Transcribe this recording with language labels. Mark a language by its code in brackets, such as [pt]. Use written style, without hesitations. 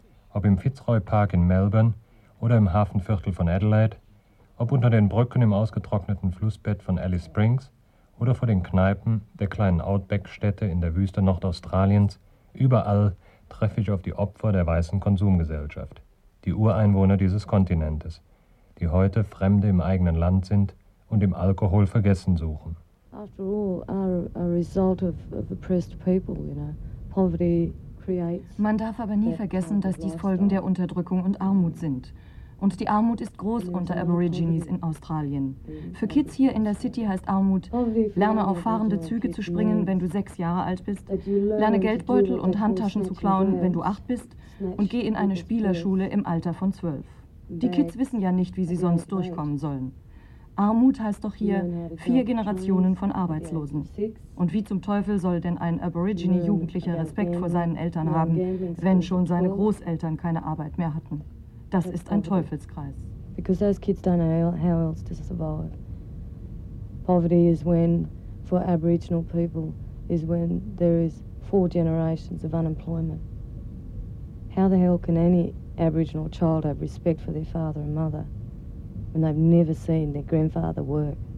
[de] Ob im Fitzroy Park in Melbourne oder im Hafenviertel von Adelaide, ob unter den Brücken im ausgetrockneten Flussbett von Alice Springs oder vor den Kneipen der kleinen Outback-Städte in der Wüste Nordaustraliens, überall treffe ich auf die Opfer der weißen Konsumgesellschaft, die Ureinwohner dieses Kontinentes, die heute Fremde im eigenen Land sind und im Alkohol vergessen suchen. [en] After all, are a result of oppressed people, you know. Poverty creates. [de] Man darf aber nie vergessen, dass dies Folgen der Unterdrückung und Armut sind. Und die Armut ist groß unter Aborigines in Australien. Für Kids hier in der City heißt Armut, lerne auf fahrende Züge zu springen, wenn du 6 Jahre alt bist, lerne Geldbeutel und Handtaschen zu klauen, wenn du 8 bist, und geh in eine Spielerschule im Alter von 12. Die Kids wissen ja nicht, wie sie sonst durchkommen sollen. Armut heißt doch hier 4 Generationen von Arbeitslosen. Und wie zum Teufel soll denn ein Aborigine-Jugendlicher Respekt vor seinen Eltern haben, wenn schon seine Großeltern keine Arbeit mehr hatten? Das ist ein Teufelskreis. [en] Because those kids don't know how else to survive. Poverty is when, for Aboriginal people, is when there is 4 generations of unemployment. How the hell can any Aboriginal child have respect for their father and mother when they've never seen their grandfather work?